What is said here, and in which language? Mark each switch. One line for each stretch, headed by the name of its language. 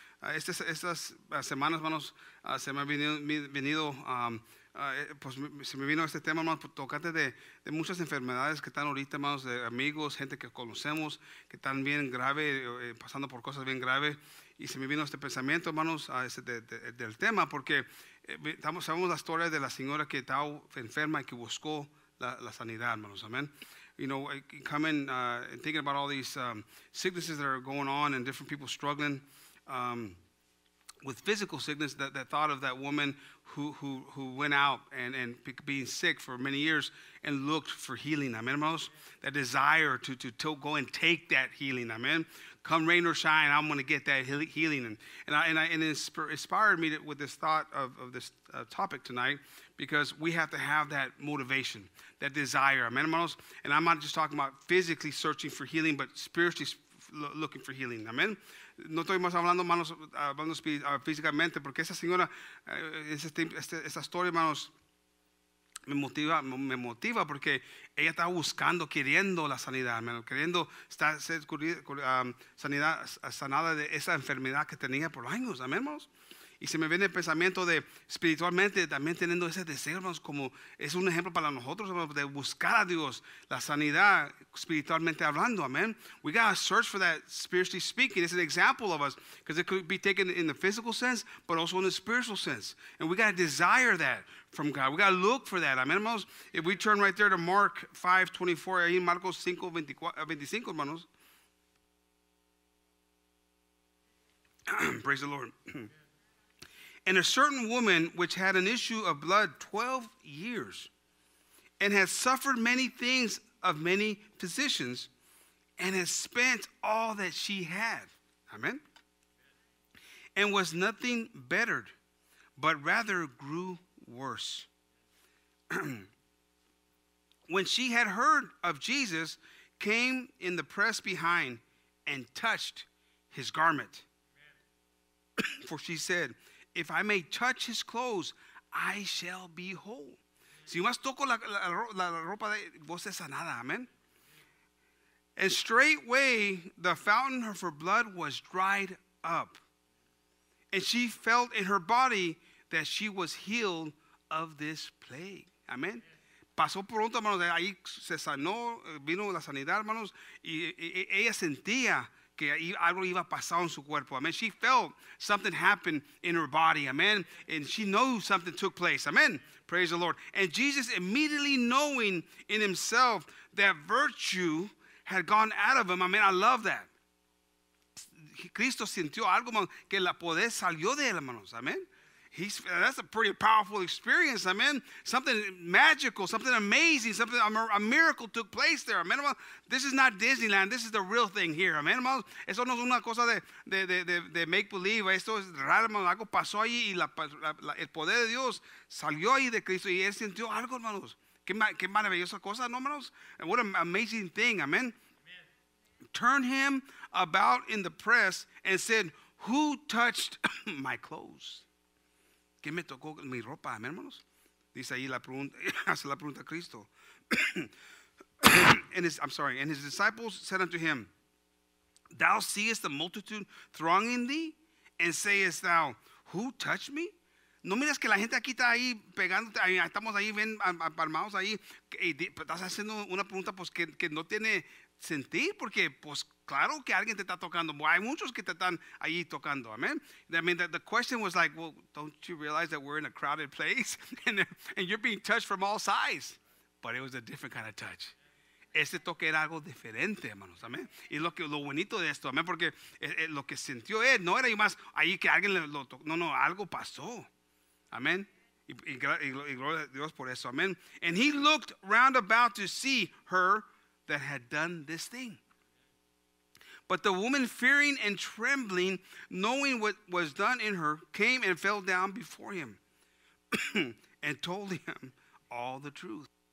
Spanish: Estas semanas, hermanos, se me ha venido, pues se me vino este tema, hermanos, tocante de muchas enfermedades que están ahorita, hermanos, de amigos, gente que conocemos, que están bien grave, pasando por cosas bien graves. Y se me vino este pensamiento, hermanos, del tema, porque sabemos la historia de la señora que estaba enferma y que buscó la sanidad, hermanos, amén.
English: You know, coming and thinking about all these sicknesses that are going on and different people struggling with physical sickness, that thought of that woman who went out and being sick for many years and looked for healing,
Spanish: amén, hermanos.
English: That desire to go and take that healing, amén. Come rain or shine, I'm going to get that healing. And it inspired me with this thought of this topic tonight, because we have to have that motivation, that desire. Amen, hermanos? And I'm not just talking about physically searching for healing, but spiritually looking for healing. Amen?
Spanish: No estoy más hablando, hermanos, hablando físicamente, porque esa señora, esa historia, hermanos, me motiva porque ella está buscando, queriendo la sanidad, hermano, queriendo ser sanada de esa enfermedad que tenía por años, amén, hermanos. Y se me viene el pensamiento de espiritualmente también teniendo ese deseo, hermanos, como es un ejemplo para nosotros, hermanos, de buscar a Dios, la sanidad espiritualmente hablando, amén.
English: We got to search for that spiritually speaking. It's an example of us because it could be taken in the physical sense, but also in the spiritual sense. And we got to desire that from God. We got to look for that,
Spanish: amén, hermanos.
English: If we turn right there to Mark 5:24,
Spanish: ahí en Marcos 5:25, hermanos.
English: Praise the Lord. And a certain woman which had an issue of blood 12 years and had suffered many things of many physicians and had spent all that she had. Amen. And was nothing bettered, but rather grew worse. When she had heard of Jesus, came in the press behind and touched his garment. For she said, if I may touch his clothes, I shall be whole.
Spanish: Si más toco la ropa de vos es sanada.
English: Amen. And straightway the fountain of her blood was dried up. And she felt in her body that she was healed of this plague.
Spanish: Amen. Pasó pronto, hermanos. Ahí se sanó. Vino la sanidad, hermanos. Y ella sentía que algo iba a pasar en su cuerpo.
English: Amen. She felt something happened in her body. Amen. And she knows something took place. Amen. Praise the Lord. And Jesus, immediately knowing in himself that virtue had gone out of him. Amen. I love that.
Spanish: Cristo sintió algo, hermanos, que la poder salió de él, hermanos.
English: Amen. That's a pretty powerful experience, amen. Something magical, something amazing, something a miracle took place there, amen. This is not Disneyland. This is the real thing here, amen.
Spanish: Eso no es una cosa de make believe. Esto es real, hermano. Algo pasó allí y el poder de Dios salió ahí de Cristo y él sintió algo, hermanos. Qué maravillosa cosa, no, hermanos.
English: And what an amazing thing, amen. Turned him about in the press and said, "Who touched my clothes?"
Spanish: ¿Qué me tocó mi ropa, amén, hermanos? Dice ahí la pregunta, hace la pregunta a Cristo.
English: And his disciples said unto him, thou seest the multitude thronging thee, and sayest thou, who touched me?
Spanish: No miras que la gente aquí está ahí pegándote, estamos ahí, ven, palmados ahí, y estás haciendo una pregunta, pues, que no tiene sentir, porque, pues, claro que alguien te está tocando. Hay muchos que te están ahí tocando. Amen.
English: I mean, the question was like, well, don't you realize that we're in a crowded place and you're being touched from all sides? But it was a different kind of touch.
Spanish: Ese toque era algo diferente, hermanos. Amen. Y lo bonito de esto, amen, porque lo que sintió él no era más ahí que alguien lo tocó. No, algo pasó. Amen. Y gloria a Dios por eso. Amen.
English: And he looked round about to see her that had done this thing. But the woman, fearing and trembling, knowing what was done in her, came and fell down before him and told him all the truth.